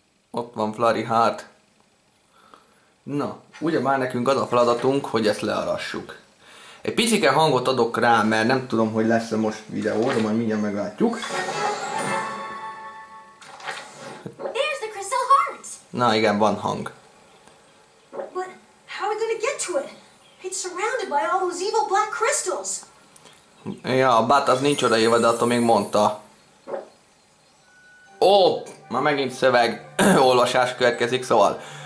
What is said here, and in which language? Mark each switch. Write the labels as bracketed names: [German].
[Hungarian] Ott van Flurry Heart. Na, ugye már nekünk az a feladatunk, hogy ezt learassuk. Egy picike hangot adok rá, mert nem tudom, hogy lesz-e most videó, de majd mindjárt meglátjuk. [English] There's the crystal heart. [Hungarian] Na igen, van hang. [English] But how are we gonna get to it? It's surrounded by all those evil black crystals. [Hungarian] Ja, bát, az nincs odaírva, de attól még mondta. Oh, már megint szöveg olvasás következik, szóval.